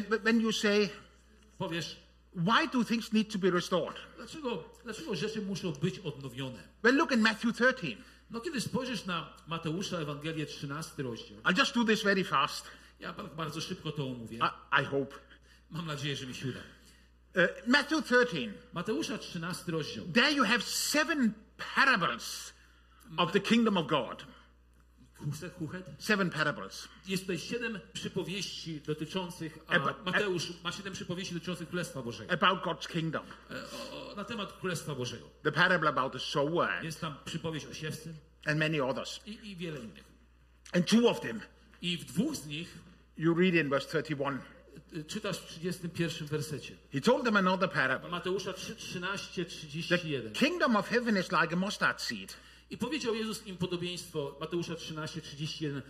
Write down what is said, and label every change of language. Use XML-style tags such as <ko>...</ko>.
<en>When you say,</en> <pl>powiesz,</pl> <en>why do things need to be restored?</en> <pl>Dlaczego rzeczy muszą być odnowione?</pl> <en>Well, look in Matthew 13.</en> <pl>No kiedy spojrzysz na Mateusza Ewangelię 13 rozdział.</pl> <en>I'll just do this very fast.</en> <pl>Ja bardzo szybko to omówię.</pl> <en>I hope.</en> <pl>Mam nadzieję, że mi się uda.</pl> <en>Matthew 13.</en> <pl>Mateusza 13 rozdział.</pl> <en>There you have seven parables of the kingdom of God. Seven parables.</en> <pl>Jest tutaj siedem przypowieści dotyczących Mateusz ma siedem przypowieści dotyczących Królestwa Bożego.</pl> <en>About God's kingdom.</en> <pl>Na temat Królestwa Bożego.</pl> <en>The parable about the sower.</en> <pl>Jest tam przypowieść o siewcy.</pl> <en>And many others.</en> <pl>I wiele innych.</pl> <en>And two of them.</en> <pl>I w dwóch z nich.</pl> <en>You read in verse 31.</en> <pl>Czytasz w 31 wersecie.</pl> <en>He told them another parable.</en> <pl>Mateusza 13:31.</pl> <en>The kingdom of heaven is like a mustard seed.</en> <pl>I powiedział Jezus im podobieństwo Mateusza 13:31.</pl>